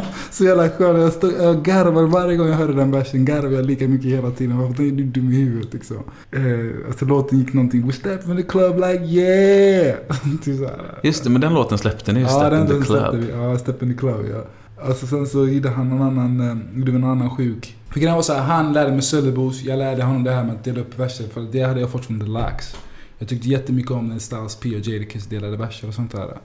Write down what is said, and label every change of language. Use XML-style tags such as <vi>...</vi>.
<sv>Så jävla skön. Jag garvar varje gång jag hörde den versen. Garvar jag lika mycket hela tiden. Varför är du dum i huvudet liksom? Alltså låten gick någonting.</sv> <en>We step in the club like yeah.</en> <sv>Just det, men den låten släppte ni. Ja, den släppte vi. Ja, step in the club, ja. Alltså sen så gjorde han någon annan. Gjorde vi någon annan sjuk. För grejen var så här, han lärde mig Söderbos. Jag lärde honom det här med att dela upp versen. För det hade jag fått från The Lax. Jag tyckte jättemycket om när Styles P och Jadakiss delade verser och sånt där.</sv>